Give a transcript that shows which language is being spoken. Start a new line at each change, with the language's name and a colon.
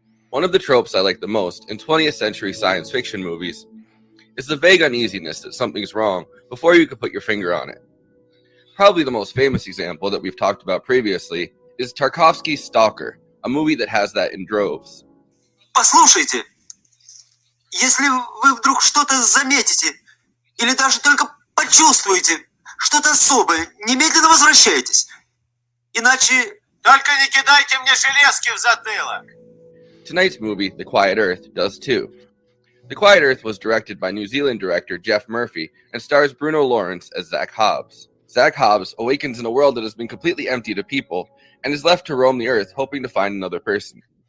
English: One of the tropes I like the most in 20th century science fiction movies is the vague uneasiness that something's wrong before you can put your finger on it. Probably the most famous example that we've talked about previously is Tarkovsky's Stalker, a movie that has that in droves.
Russian: Послушайте, если вы вдруг что-то заметите или даже только почувствуете что-то особое, немедленно возвращайтесь. Иначе только не кидайте мне железки в затылок.
English: Tonight's movie, The Quiet Earth, does too. The Quiet Earth was directed by New Zealand director Geoff Murphy and stars Bruno Lawrence as Zach Hobbs. Zach Hobbs awakens in a world that has been completely empty to people and is left to roam the earth hoping to find another person.